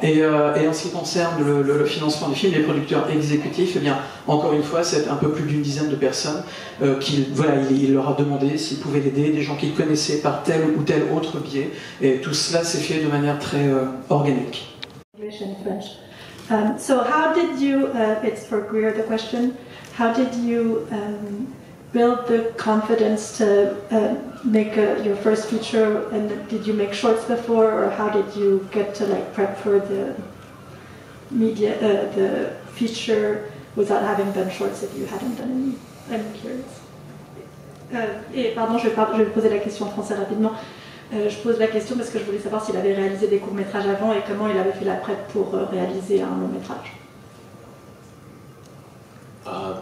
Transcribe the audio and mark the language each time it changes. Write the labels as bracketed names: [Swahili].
[French] Et en ce qui concerne le financement du film, les producteurs exécutifs, eh bien, encore une fois, c'est un peu plus d'une dizaine de personnes qu'il leur a demandé s'ils pouvaient l'aider, des gens qu'ils connaissaient par tel ou tel autre biais. Et tout cela s'est fait de manière très organique. [English] English and French. So how did you, it's for Greer the question, how did you build the confidence to make your first feature, and did you make shorts before, or how did you get to like prep for the media, the feature without having done shorts if you hadn't done any? I'm curious. [French] Et pardon, je vais poser la question en français rapidement. Je pose la question parce que je voulais savoir s'il avait réalisé des courts-métrages avant et comment il avait fait la prep pour réaliser un long-métrage.